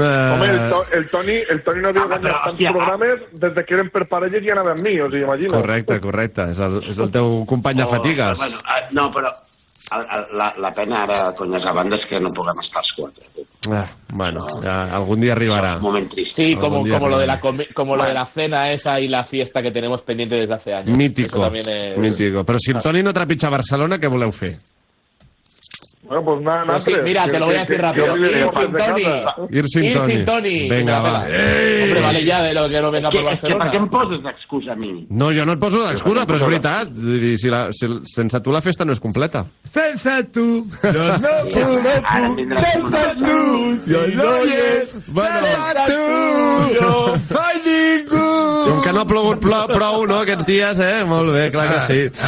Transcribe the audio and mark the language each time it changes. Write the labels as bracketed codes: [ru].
[ca] Home, el Toni no diu que hi ha tants programes des que eren per parelles i anava amb mi, o sigui, imagina't. Correcte. És el teu company de fatigues. No, però... La pena ara, conyes, a banda, és que no puguem estar els quatre. [es] Ya, algún día arribará. [ca] Un moment trist. [es] Sí, como lo de la cena esa y la fiesta que tenemos pendiente desde hace años. Mítico. Pero [ca] si el Toni no trepitja a Barcelona, ¿qué voleu fer? [es] Bueno, pues nada, no sé. Mira, te lo voy a decir rápido. Ir sin Toni. Venga, va. Hombre, vale ya de lo que no venga por Barcelona. [ca] ¿Per què em poses d'excusa a mi? No, jo no et poso d'excusa, però és veritat. Sense tu la festa no és completa. Sense tu, jo no puc. Sense tu, si no hi és. Sense tu, jo faig ningú. Com que no ha plogut prou, no, aquests dies, Molt bé, clar que sí.